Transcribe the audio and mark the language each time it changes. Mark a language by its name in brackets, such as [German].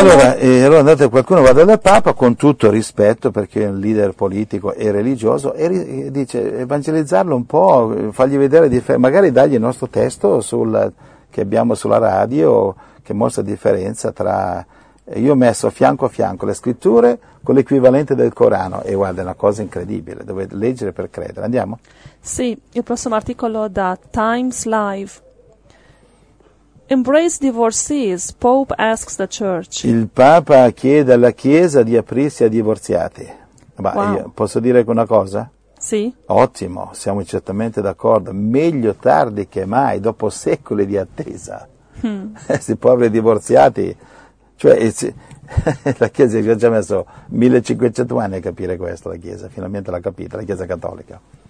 [Italian] Allora andate, qualcuno vada dal Papa, con tutto rispetto, perché è un leader politico e religioso, e dice, evangelizzarlo un po', fargli vedere, magari dargli il nostro testo che abbiamo sulla radio, che mostra differenza tra... Io ho messo fianco a fianco le scritture con l'equivalente del Corano, e guarda, è una cosa incredibile, dovete leggere per credere. Andiamo? Sì, il prossimo articolo da Times Live. [English] Embrace divorcees, Pope asks the Church. [Italian] Il Papa chiede alla Chiesa di aprirsi a divorziati. Ma wow. Io posso dire una cosa? Sì. Ottimo, siamo certamente d'accordo. Meglio tardi che mai, dopo secoli di attesa. Questi poveri divorziati, cioè la Chiesa ci ha già messo 1500 anni a capire questo, la Chiesa, finalmente l'ha capita, la Chiesa Cattolica.